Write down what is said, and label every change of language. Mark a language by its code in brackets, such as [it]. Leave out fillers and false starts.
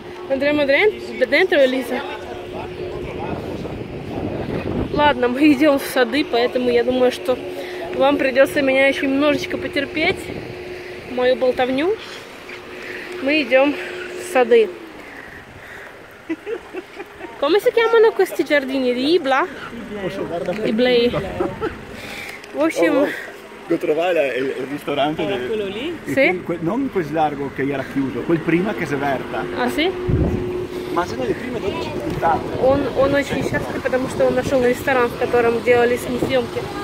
[ru] Андрея Мадрент, Дентро и Лиза. Ладно, мы идем в сады, поэтому я думаю, что вам придется меня еще немножечко потерпеть, мою болтовню. Мы идем в сады. [it] Come si chiamano questi giardini? [ru] Ibla? Iblei. В общем... [it] Lo trovai il ristorante? Era quello lì? Sì. Non quel largo che era chiuso, quel prima che si è aperta. Ah sì? Ma sono le prime 12 città. [ru] Он очень счастлив, потому что он нашел ресторан, в котором делались не съемки.